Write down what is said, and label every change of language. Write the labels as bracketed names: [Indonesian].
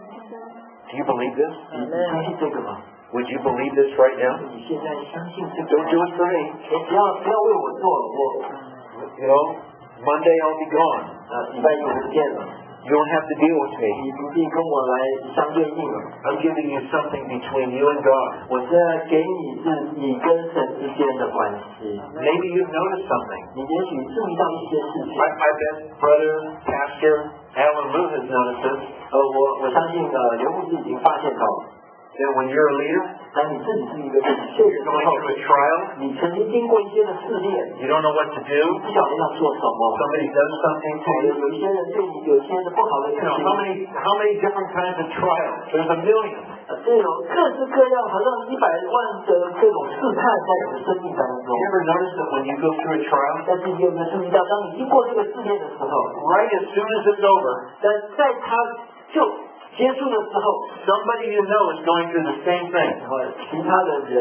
[English] Do you believe this? [Chinese] 你相信这个吗? [English] Would you believe this right now? [Chinese] 你现在相信这个吗? [English] Don't do it for me [Chinese] 不要为我做我 [English] You know Monday I'll be gone. [Chinese] 礼拜一我不见了。 [English] You don't have to deal with me. [Chinese] 你不必跟我来相对应了。 [English] I'm giving you something between you and God. [Chinese] 我现在给你是你跟神之间的关系。 [English] Maybe you've noticed something. [Chinese] 你也许注意到一些事情。 [English] My best brother, pastor, Alan Lou has noticed this. [Chinese] 我相信刘牧师已经发现到了。 [English] That when you're a leader, [Chinese] 当你自己是一个领袖的时候，你曾经经过一些的试炼。 [English] You don't know what to do. [Chinese] 你不晓得要做什么。 [English] Somebody does something to you. [Chinese] 有些人对你有些的不好的事情。 [English] How many different kinds of trials? There's a million. [Chinese] 对，有各式各样，好像一百万的这种试探在你的生命当中。 [English] You ever notice that when you go through a trial? [Chinese] 但是你有没有注意到，当你经过这个试炼的时候 [English] ，Right as soon as it's over. [Chinese] 但在他就 结束的时候, [English] somebody you know is going through the same thing.